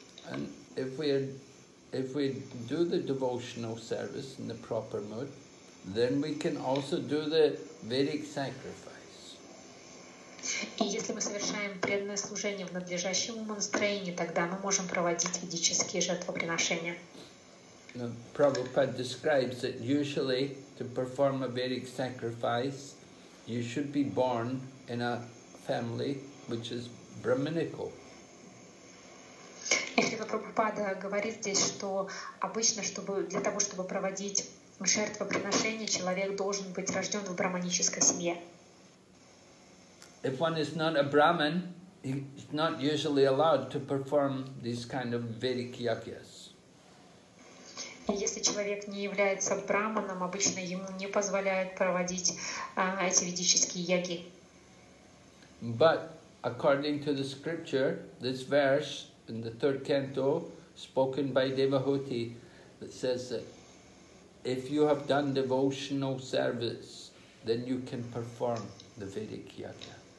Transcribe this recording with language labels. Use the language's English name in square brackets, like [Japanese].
[English] And if we do the devotional service in the proper mood, then we can also do the Vedic sacrifice. [Russian] И если мы совершаем преданное служение в надлежащем настроении, тогда мы можем проводить ведические жертвоприношения. [English] Prabhupada describes that usually to perform a Vedic sacrifice, you should be born in a family which is brahminical. [Russian] Если Прабхупада говорит здесь, что обычно, чтобы для того, чтобы проводить жертвоприношение, человек должен быть рожден в брахманической семье. [English] If one is not a brahmin, he's not usually allowed to perform these kind of Vedic yagyas. [Russian] Если человек не является брахманом, обычно ему не позволяют проводить эти ведические яги. [English] But according to the scripture, this verse in the third canto, spoken by Devahuti that says that if you have done devotional service, then you can perform the Vedic Yajna.